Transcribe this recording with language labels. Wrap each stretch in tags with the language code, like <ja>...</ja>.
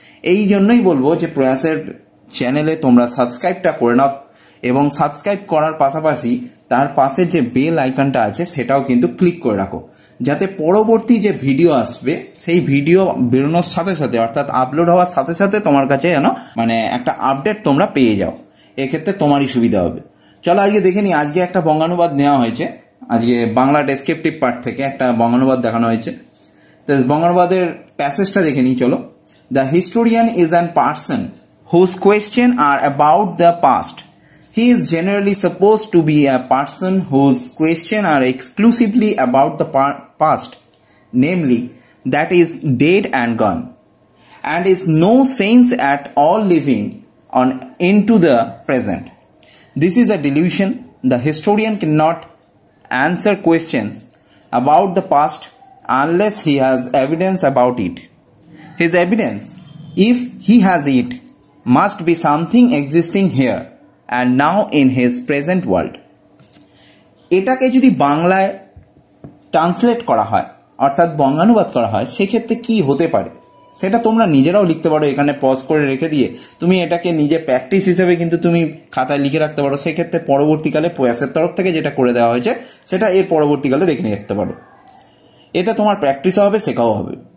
<bn>এই জন্যই বলবো যে প্রয়াসের চ্যানেলে তোমরা সাবস্ক্রাইবটা করে নাও, এবং সাবস্ক্রাইব করার পাশাপাশি তার পাশে যে বেল আইকনটা আছে সেটাও কিন্তু ক্লিক করে রাখো, যাতে পরবর্তী যে ভিডিও আসবে সেই ভিডিও বেরোনোর সাথে সাথে, অর্থাৎ আপলোড হওয়ার সাথে সাথে তোমার কাছে যেন মানে একটা আপডেট তোমরা পেয়ে যাও, এক্ষেত্রে তোমারই সুবিধা হবে। চলো আজকে দেখে নিই, আজকে একটা বঙ্গানুবাদ নেওয়া হয়েছে, আজকে বাংলা ডেসক্রিপটিভ পার্ট থেকে একটা বঙ্গানুবাদ দেখানো হয়েছে। তো বঙ্গানুবাদের প্যাসেজটা দেখে নিই চলো।</bn> <en>The historian is an person whose question are about the past. He is generally supposed to be a person whose questions are exclusively about the past, namely, that is dead and gone, and is no sense at all living on into the present. This is a delusion. The historian cannot answer questions about the past unless he has evidence about it. His evidence, if he has it, must be something existing here and now in his present world.</en> <bn>এটাকে যদি বাংলায় translate করা হয়, অর্থাৎ বঙ্গানুবাদ করা হয়, সেক্ষেত্রে কি হতে পারে সেটা তোমরা নিজেরাও লিখতে পারো, এখানে পজ করে রেখে দিয়ে তুমি এটাকে নিজে প্র্যাকটিস হিসেবে কিন্তু তুমি খাতায় লিখে রাখতে পারো। সেক্ষেত্রে পরবর্তীকালে প্রয়াসের তরফ থেকে যেটা করে দেওয়া হয়েছে সেটা এর পরবর্তীকালে দেখে নিয়ে রাখতে পারো, এতে তোমার প্র্যাকটিসও হবে শেখাও হবে।</bn>